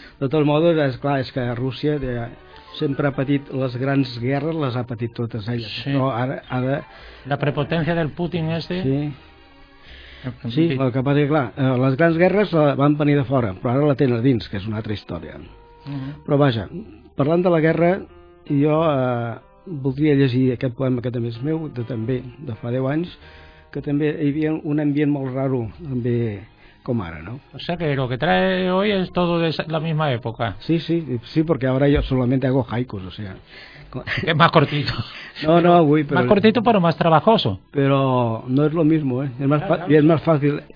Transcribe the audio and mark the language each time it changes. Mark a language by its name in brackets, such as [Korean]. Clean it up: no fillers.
[Spanish] De todos modos, es claro, es que Rusia siempre [Catalan] ha patit [Spanish] las grandes guerras, las ha patit todas ellas. Sí. No, ahora... La prepotencia del Putin este. Sí. Sí, lo que pasa es que, claro, las grandes guerras [Catalan] van venir [Spanish] de fuera, pero ahora la tienen dins, que es una otra historia. Pero vaya, hablando de la guerra, [Catalan] jo voldria llegir aquest poema que també és meu, de també de fa 10 anys, que també hi havia un ambient molt raro, també com ara, no? [Spanish] O sea que lo que trae hoy es todo de la misma época. Sí, sí, sí, porque ahora yo solamente hago haikus, o sea... Es más cortito. [Catalan] No, no, avui, [Spanish] pero... Más cortito, pero más trabajoso. Pero no es lo mismo, ¿eh? Es más, claro, claro. Es más fácil